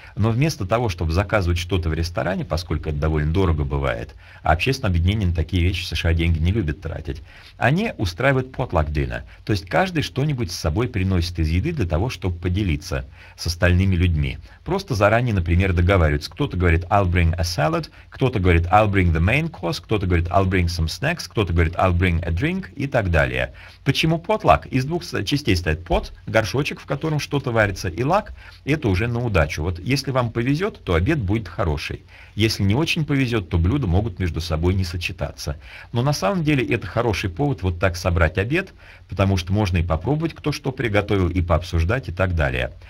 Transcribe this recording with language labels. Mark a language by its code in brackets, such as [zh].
[ru] Но вместо того, чтобы заказывать что-то в ресторане, поскольку это довольно дорого бывает, а общественные объединения на такие вещи в США деньги не любят тратить, они устраивают potluck dinner. То есть каждый что-нибудь с собой приносит из еды для того, чтобы поделиться с остальными людьми. Просто заранее, например, договариваются. Кто-то говорит [en] «I'll bring a salad», [ru] кто-то говорит [en] «I'll bring the main course», [ru] кто-то говорит [en] «I'll bring some snacks», [ru] кто-то говорит [en] «I'll bring a drink» [ru] и так далее. Почему potluck? Из двух частей стоит пот, горшочек, в котором что-то варится, и лак – это уже на удачу. Вот если вам повезет, то обед будет хороший. Если не очень повезет, то блюда могут между собой не сочетаться. Но на самом деле это хороший повод вот так собрать обед, потому что можно и попробовать, кто что приготовил, и пообсуждать, и так далее.